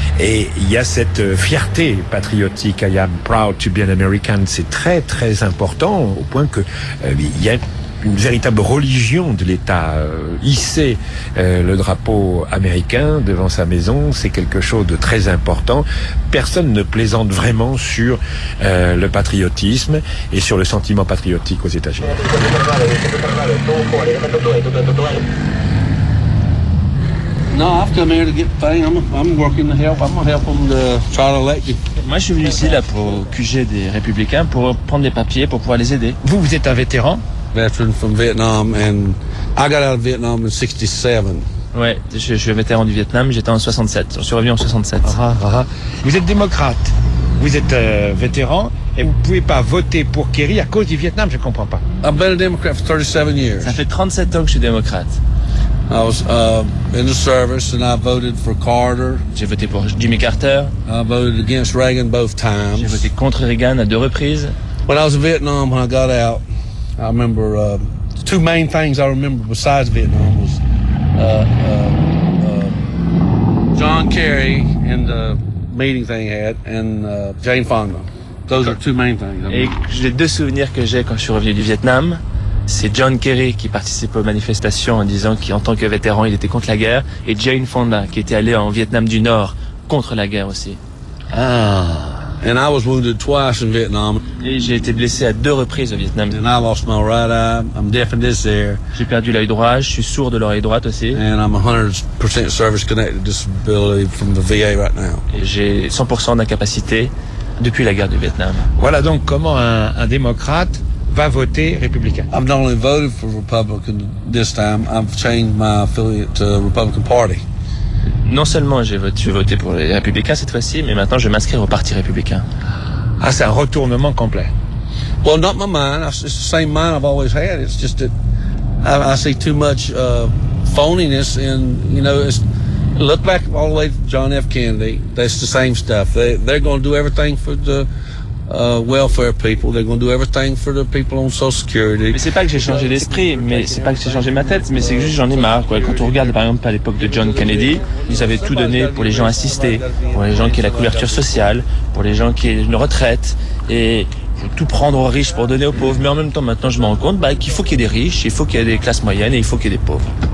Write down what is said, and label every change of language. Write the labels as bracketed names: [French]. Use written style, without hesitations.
[French] Et il y a cette fierté patriotique, [English] I am proud to be an American, [French] c'est très très important, au point que il y a une véritable religion de l'État. Hisser le drapeau américain devant sa maison, c'est quelque chose de très important. Personne ne plaisante vraiment sur le patriotisme et sur le sentiment patriotique aux États-Unis. [English] No, I've come here to get the thing. I'm working to help. I'm gonna help them to try to elect you. [French] Moi, je suis venu ici là pour QG des Républicains, pour prendre les papiers, pour pouvoir les aider. Vous êtes un vétéran. [English] Veteran from Vietnam, and I got out of Vietnam in 67. [French] Ouais, je suis vétéran du Vietnam. J'étais en 67. Je suis revenu en 67. Ah. Vous êtes démocrate. Vous êtes vétéran. Et vous ne pouvez pas voter pour Kerry à cause du Vietnam, je ne comprends pas. [English] I've been a Democrat for 37 years. [French] Ça fait 37 ans que je suis démocrate. [English] I was in the service and I voted for Carter. [French] J'ai voté pour Jimmy Carter. [English] I voted against Reagan both times. [French] J'ai voté contre Reagan à deux reprises. [English] When I was in Vietnam, when I got out, I remember the two main things I remember besides Vietnam was John Kerry and the meeting thing he had, and Jane Fonda. Those are two main things. [French] Et j'ai deux souvenirs que j'ai quand je suis revenu du Vietnam. C'est John Kerry qui participait aux manifestations en disant qu'en tant que vétéran, il était contre la guerre, et Jane Fonda qui était allée en Vietnam du Nord contre la guerre aussi. [English] Ah. And I was wounded twice in Vietnam. [French] Et j'ai été blessé à deux reprises au Vietnam. [English] And I lost my right eye. I'm deaf and this ear. [French] J'ai perdu l'œil droit, je suis sourd de l'oreille droite aussi. [English] And I'm 100% service connected disability from the VA right now. [French] Et j'ai 100% d'incapacité depuis la guerre du Vietnam. Voilà donc comment un démocrate va voter républicain. [English] I've not only voted for Republican this time, I've changed my affiliate to Republican Party. [French] Non seulement j'ai voté pour les républicains cette fois-ci, mais maintenant je vais m'inscrire au Parti républicain. Ah, c'est un retournement complet. [English] Well, not my mind. It's the same mind I've always had. It's just that I see too much phoniness in, you know, it's look back all the way to John F. Kennedy. That's the same stuff. They're going to do everything for the welfare people, they're going to do everything for the people on Social Security. [French] Mais c'est pas que j'ai changé d'esprit, mais c'est pas que j'ai changé ma tête, mais c'est juste j'en ai marre, quoi. Quand on regarde par exemple à l'époque de John Kennedy, ils avaient tout donné pour les gens assistés, pour les gens qui aient la couverture sociale, pour les gens qui aient une retraite, et tout prendre aux riches pour donner aux pauvres. Mais en même temps, maintenant, je me rends compte qu'il faut qu'il y ait des riches, il faut qu'il y ait des classes moyennes, et il faut qu'il y ait des pauvres.